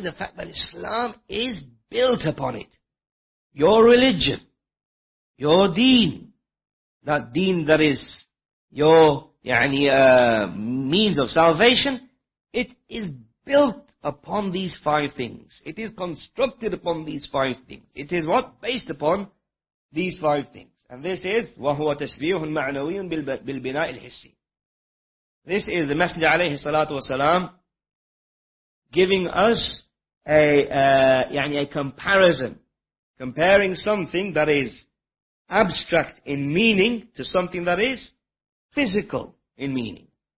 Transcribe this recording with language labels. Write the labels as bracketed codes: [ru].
[en] the fact that Islam is built upon it. Your religion, your deen, that deen that is your means of salvation, it is built upon these five things. It is constructed upon these five things. It is what? Based upon these five things. And this is [ar] وَهُوَ تَشْبِيهٌ مَعْنَوِيٌ بِالْبِنَاءِ الْحِسِّ. [en] This is the Messenger عليه الصلاة والسلام giving us a comparison, comparing something that is abstract in meaning to something that is physical in meaning.